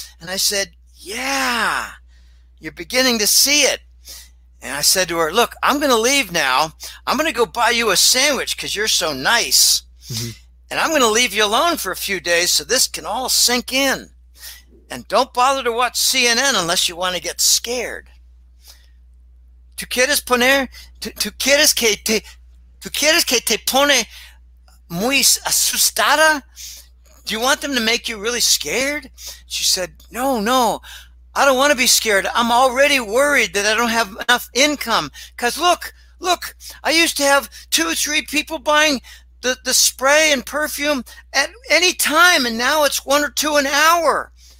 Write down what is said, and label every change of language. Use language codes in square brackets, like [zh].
[en] And I said, yeah, you're beginning to see it. And I said to her, look, I'm going to leave now. I'm going to go buy you a sandwich because you're so nice. Mm-hmm. And I'm going to leave you alone for a few days so this can all sink in. And don't bother to watch CNN unless you want to get scared. [es] Tu quieres poner, tu quieres que te pone muy asustada? [en] Do you want them to make you really scared? She said, no, I don't want to be scared. I'm already worried that I don't have enough income. Because look, I used to have two or three people buying the spray and perfume at any time, and now it's one or two an hour.